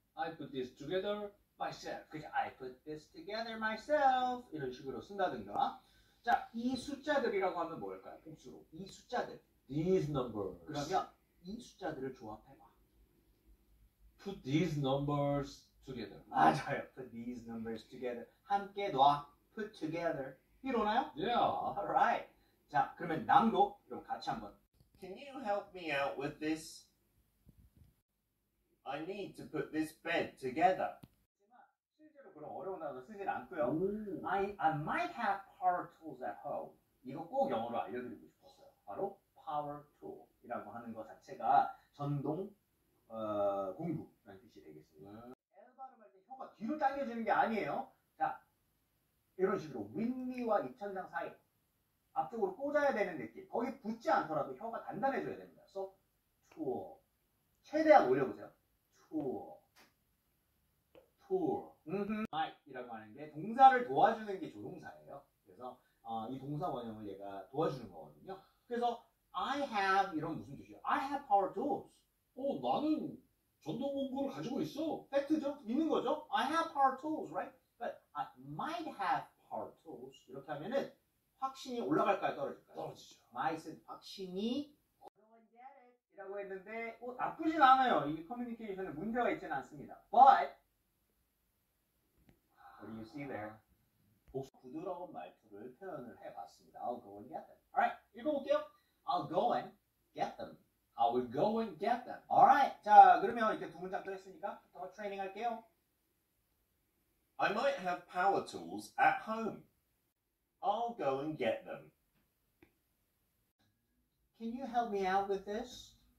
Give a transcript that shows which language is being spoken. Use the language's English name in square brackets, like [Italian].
[English] I put this together myself. [Korean] 그치? [English] I put this together myself. [Korean] 이런 식으로 쓴다든가. 자, 이 숫자들이라고 하면 뭘까요? 복수로. 이 숫자들. [English] These numbers. [Korean] 그러면 이 숫자들을 조합해봐. [English] Put these numbers together. [Korean] 맞아요. [English] Put these numbers together. [Korean] 함께 놔. [English] Put together. [Korean] 이러나요? [English] Yeah. Alright. [Korean] 자, 그러면 낭독. 그럼 같이 한번. [English] Can you help me out with this? I need to put this bed together. [Korean] 실제로 그런 어려운 단어 쓰질 않고요. [English] I might have power tools at home. [Korean] 이거 꼭 영어로 알려드리고 싶었어요. 바로 power tool이라고 하는 것 자체가 전동 공구라는 뜻이 되겠습니다. L 발음할 때 혀가 뒤로 당겨지는 게 아니에요. 자, 이런 식으로 윗니와 입천장 사이 앞쪽으로 꽂아야 되는 느낌. 거기 붙지 않더라도 혀가 단단해져야 됩니다. [English] So tool [Korean] 최대한 올려보세요. [English] Tool. [Korean] Might이라고 하는 게 동사를 도와주는 게 조동사예요. 그래서 이 동사 원형을 얘가 도와주는 거거든요. 그래서 [English] I have [Korean] 이런 무슨 뜻이에요? [English] I have power tools. [Korean] 나는 전동 공구를 가지고 있어. 팩트죠? 있는 거죠? I have power tools, right? But I might have power tools. 이렇게 하면은 확신이 올라갈까요? 떨어질까요? 떨어지죠. Might은 확신이 라고 했는데 나쁘진 않아요. 이 커뮤니케이션에 문제가 있지는 않습니다. [English] But what do you see there? [Korean] 부드러운 말투를 표현을 해봤습니다. [English] I'll go and get them. Alright, [Korean] 읽어볼게요. [English] I'll go and get them. I will go and get them. Alright, [Korean] 자 그러면 이제 두 문장도 했으니까 더 트레이닝 할게요. [English] I might have power tools at home. I'll go and get them. Can you help me out with this?